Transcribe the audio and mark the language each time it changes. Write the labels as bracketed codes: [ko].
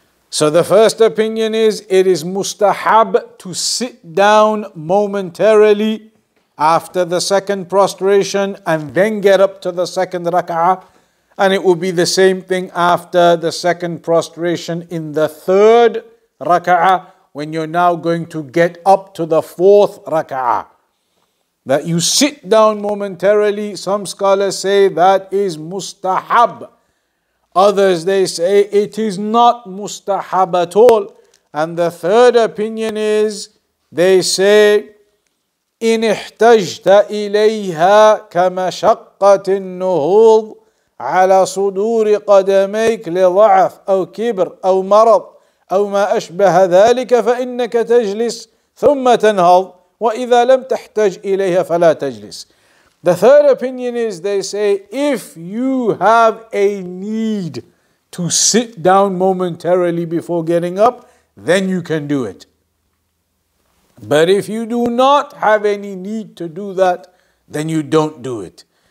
[en] So the first opinion is, it is mustahab to sit down momentarily after the second prostration and then get up to the second raka'ah, and it will be the same thing after the second prostration in the third raka'ah, when you're now going to get up to the fourth raka'ah. That you sit down momentarily, some scholars say that is mustahab. Others, they say it is not mustahab at all. [ar] And the third opinion is, they say, إن احتجت إليها كمشقة النهوض على صدور قدميك لضعف أو كبر أو مرض أو ما أشبه ذلك فإنك تجلس ثم تنهض وإذا لم تحتج إليها فلا تجلس. [en] The third opinion is, they say, if you have a need to sit down momentarily before getting up, then you can do it. But if you do not have any need to do that, then you don't do it.